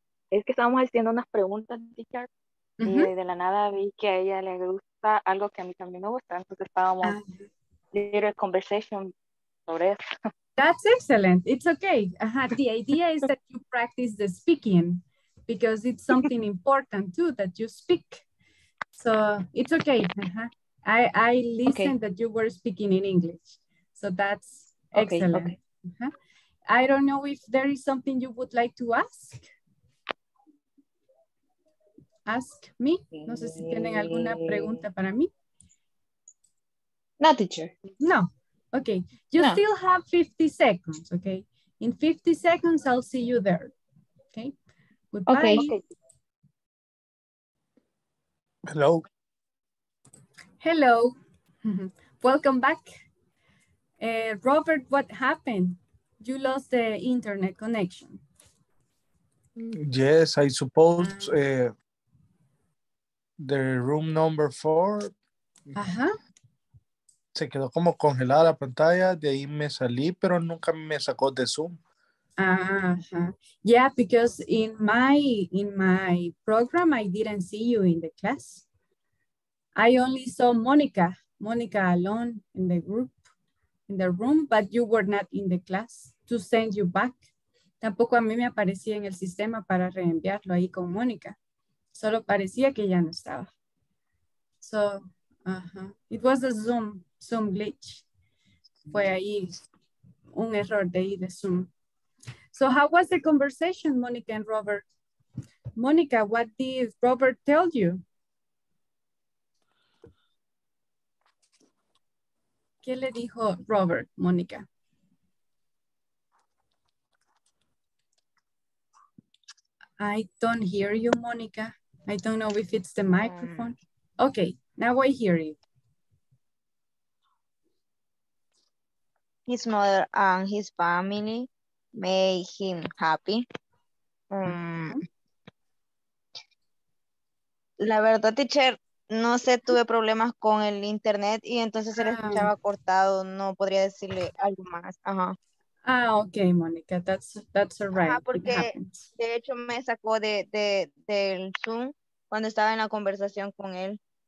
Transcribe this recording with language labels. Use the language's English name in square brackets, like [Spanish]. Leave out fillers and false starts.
[Spanish] Es que estábamos haciendo unas preguntas, teacher, y de la nada vi que a ella le gusta algo que a mí también me gusta, entonces estábamos [English] little conversation [Spanish] sobre eso. [English] That's excellent. It's okay. The idea is that you practice the speaking because it's something important too that you speak. So it's okay. I listened that you were speaking in English. So that's excellent. Okay. I don't know if there is something you would like to ask. Ask me. [Spanish] No sé si tienen alguna pregunta para mí. [English] No, teacher. No. Okay. You no. still have 50 seconds. Okay. In 50 seconds, I'll see you there. Okay. Goodbye. Okay. Hello. Hello. Welcome back. Robert, what happened? You lost the internet connection. Yes, I suppose. The room number 4. Ajá. [Spanish] Se quedó como congelada la pantalla, de ahí me salí, pero nunca me sacó de Zoom. Ajá. [English] Yeah, because in my program I didn't see you in the class. I only saw Monica alone in the group, in the room, but you were not in the class to send you back. [Spanish] Tampoco a mí me aparecía en el sistema para reenviarlo ahí con Monica. Solo parecía que ya no estaba. [English] So, it was a Zoom glitch. [Spanish] Fue ahí un error de ahí de Zoom. [English] So how was the conversation, Monica and Robert? Monica, what did Robert tell you? [Spanish] ¿Qué le dijo Robert, Monica? [English] I don't hear you, Monica. I don't know if it's the microphone. Okay, now I hear you. His mother and his family made him happy. [Spanish] La verdad, teacher, no sé, tuve problemas con el internet y entonces se le escuchaba cortado. No podría decirle algo más. [English] Okay, Monica, that's all right. [Spanish] Porque de hecho me sacó del Zoom cuando estaba en la conversación con él.